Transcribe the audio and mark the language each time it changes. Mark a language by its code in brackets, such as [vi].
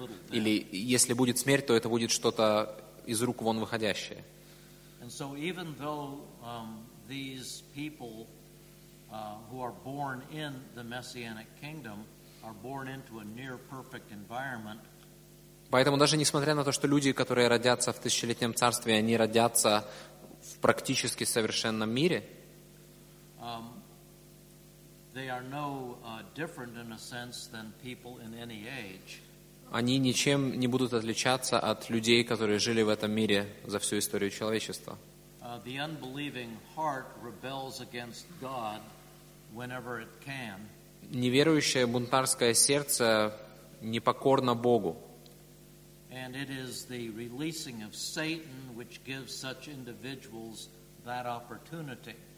[ru] Или если будет смерть, то это будет что-то из рук вон выходящее. [en] And so even though these people who are born in the Messianic kingdom are born into a near perfect environment. [ru] Поэтому даже несмотря на то, что люди, которые родятся в тысячелетнем царстве, они родятся в практически совершенном мире, [en] they are no different in a sense than people in any age. [ru] Они ничем не будут отличаться от людей, которые жили в этом мире за всю историю человечества. [en] The unbelieving heart rebels against God whenever it can. [ru] Неверующее бунтарское сердце непокорно Богу. [en] And it is the releasing of Satan which gives such individuals that opportunity.